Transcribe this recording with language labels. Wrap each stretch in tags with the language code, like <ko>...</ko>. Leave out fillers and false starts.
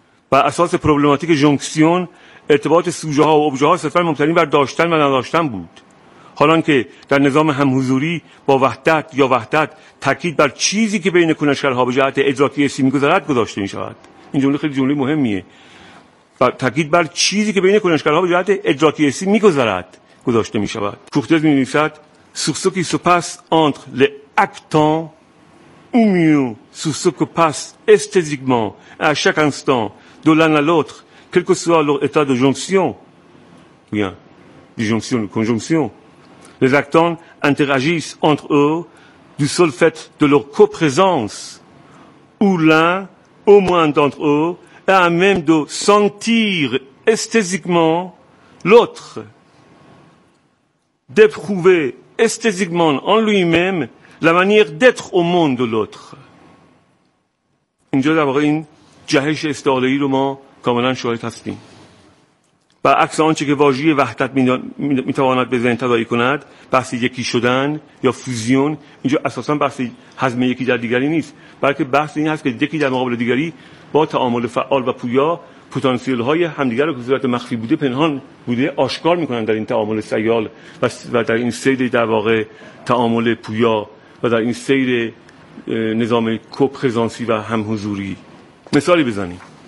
<fa>بر اساس پروبلماتیک جونکسیون ارتباط سوژه ها و ابژه ها صرفاً مبتنی بر داشتن و نداشتن بود، حالان که در نظام همحضوری با وحدت یا وحدت تاکید بر چیزی که بین کنشگرها به جهت ادراکی حسی می‌گذرد گذاشته می‌شود. این جمله خیلی جمله مهمیه، تاکید بر چیزی که بین کنشگرها به جهت ادراکی حسی می‌گذرد گذاشته می‌شود. کوختز می‌نویسد</fa> <fr>سوسو کی سوپاس انتر ل اکتان ou mieux sous ce que passe esthétiquement à chaque instant de l'un à l'autre, quel que soit leur état de jonction, bien, disjonction ou conjonction, les actants interagissent entre eux du seul fait de leur coprésence, où l'un, au moins d'entre eux, est à même de sentir esthétiquement l'autre, d'éprouver esthétiquement en lui-même la manière d'être au monde de l'autre.</fr> <fa>اینجا در واقع این جهش استعاله‌ای رو ما کاملا شاهد هستیم. برعکس آنچه که واژه وحدت میتواند به ذهن تداعی کند، بحث یکی شدن یا فوزیون اینجا اساسا بحث هضم یکی در دیگری نیست، بلکه بحث این هست که یکی در مقابل دیگری با تعامل فعال و پویا پتانسیل های همدیگر رو که صورت مخفی بوده پنهان بوده آشکار میکنند در این تعامل سیال و در این سیر در واقع تعامل پویا و در این سیر نظام کوپرزانسی و همحضوری. مثالی بزنیم،</fa>